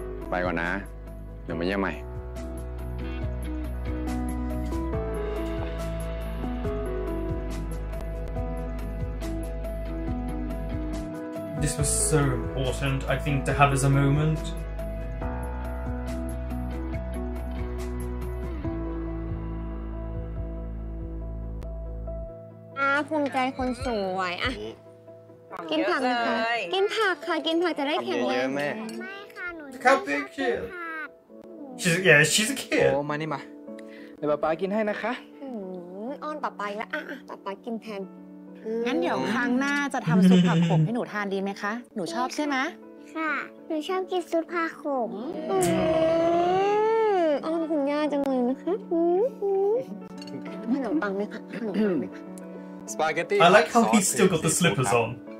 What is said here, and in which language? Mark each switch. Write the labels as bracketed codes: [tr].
[th] ไปก่อนนะเดี๋ยวมาเยี่ยมใหม่ [en] This was so important I think to have as a moment [th] ภูมิใจคนสวยอ่ะกินผักนะคะกินผักค่ะกินผักจะได้แข็งแรง คับเด็กเชียร์ [en] she's yeah she's a kid [th] โอ้มานี่มาเดี๋ยวป๊าป๊ากินให้นะคะ อ้อนป๊าป๊าละอ่ะป๊าป๊ากินแทน งั้นเดี๋ยวครั้งหน้าจะทำซุปผักขมให้หนูทานดีไหมคะหนูชอบใช่ไหม ค่ะหนูชอบกินซุปผักขม อ้อนคุณย่าจังเลยนะคะขนมปังไหมคะขนมปังไ หมสปาเกตตี [en] I like how he's still got the slippers on